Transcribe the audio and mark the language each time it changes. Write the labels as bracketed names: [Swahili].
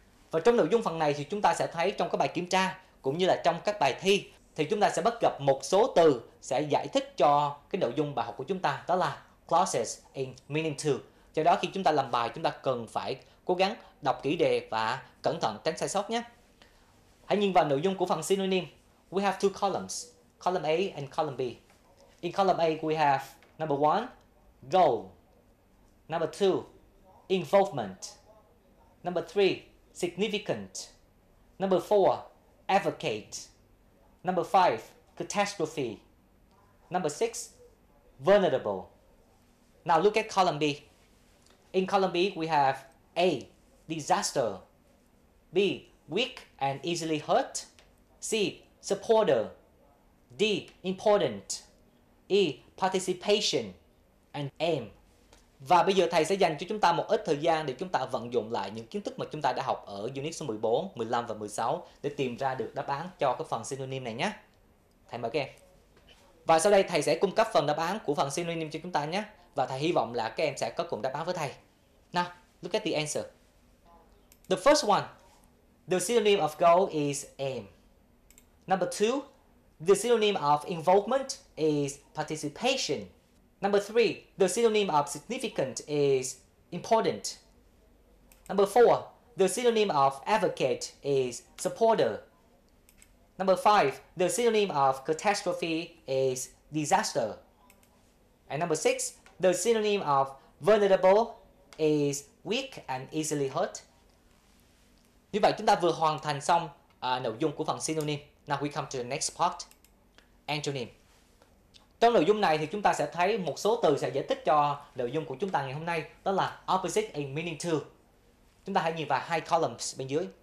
[Vietnamese] Và trong nội dung phần này thì chúng ta sẽ thấy trong các bài kiểm tra cũng như là trong các bài thi thì chúng ta sẽ bắt gặp một số từ sẽ giải thích cho cái nội dung bài học của chúng ta, đó là [English] clauses in meaning to. [Vietnamese] Do đó khi chúng ta làm bài chúng ta cần phải cố gắng đọc kỹ đề và cẩn thận tránh sai sót nhé. Hãy nhìn vào nội dung của phần synonym. [English] We have two columns, column A and column B. In column A we have number 1, goal. Number 2, involvement. Number 3, significant. Number 4, advocate. Number 5, catastrophe. Number 6, vulnerable. Now look at column B. In column B, we have A, disaster. B, weak and easily hurt. C, supporter. D, important. E, participation. And M. [Vietnamese] Và bây giờ thầy sẽ dành cho chúng ta một ít thời gian để chúng ta vận dụng lại những kiến thức mà chúng ta đã học ở unit số 14, 15 và 16 để tìm ra được đáp án cho cái phần synonym này nhé. Thầy mời các em. Và sau đây thầy sẽ cung cấp phần đáp án của phần synonym cho chúng ta nhé. Và thầy hy vọng là các em sẽ có cùng đáp án với thầy. [English] Now, look at the answer. The first one, the synonym of goal is aim. Number two, the synonym of involvement is participation. Number three, the synonym of significant is important. Number four, the synonym of advocate is supporter. Number five, the synonym of catastrophe is disaster. And number six, the synonym of vulnerable is weak and easily hurt. [Vietnamese] Như vậy chúng ta vừa hoàn thành xong nội dung của phần synonym. [English] Now we come to the next part, antonym. [Vietnamese] Trong nội dung này thì chúng ta sẽ thấy một số từ sẽ giải thích cho nội dung của chúng ta ngày hôm nay, đó là [English] opposite in meaning to. [Vietnamese] Chúng ta hãy nhìn vào hai columns bên dưới.